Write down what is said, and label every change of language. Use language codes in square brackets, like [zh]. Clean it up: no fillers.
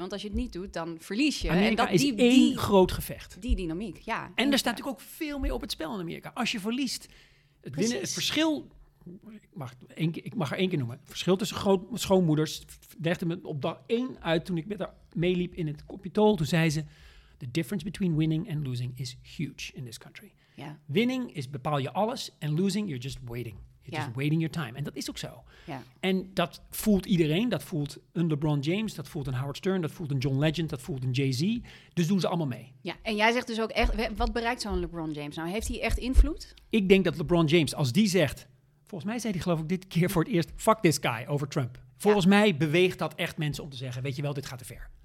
[nl] Want als je het niet doet, dan verlies je. Amerika en dat is één groot gevecht. Die dynamiek, ja. En er staat natuurlijk ook veel meer op het spel in Amerika. Als je verliest, het, winnen, het verschil... Ik mag er één keer noemen. Het verschil tussen schoonmoeders legde me op dag één uit toen ik met haar meeliep in het Capitool. Toen zei ze, [en] the difference between winning and losing is huge in this country. Yeah. [nl] Winning is bepaal je alles en losing, [en] you're just waiting. You're just waiting your time. [nl] En dat is ook zo. [en] Yeah. [nl] En dat voelt iedereen. Dat voelt een LeBron James, dat voelt een Howard Stern, dat voelt een John Legend, dat voelt een Jay-Z. Dus doen ze allemaal mee. Ja, en jij zegt dus ook echt, wat bereikt zo'n LeBron James nou? Heeft hij echt invloed? Ik denk dat LeBron James, als die zegt... Volgens mij zei hij geloof ik dit keer voor het eerst... [en] fuck this guy [nl] over Trump. Volgens mij beweegt dat echt mensen om te zeggen... weet je wel, dit gaat te ver.